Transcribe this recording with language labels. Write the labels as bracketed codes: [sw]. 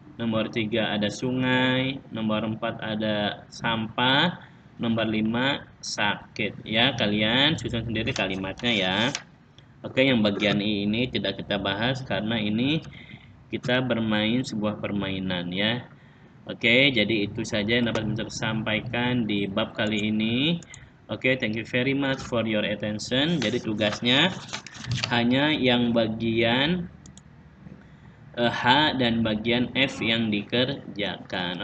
[id] Nomor 3 ada sungai, nomor 4 ada sampah, nomor 5 sakit. Ya, kalian susun sendiri kalimatnya ya. Oke, yang bagian ini tidak kita bahas karena ini kita bermain sebuah permainan ya. Oke, jadi itu saja yang dapat saya sampaikan di bab kali ini. [en] Oke, okay, thank you very much for your attention. [id] Jadi tugasnya hanya yang bagian H dan bagian F yang dikerjakan.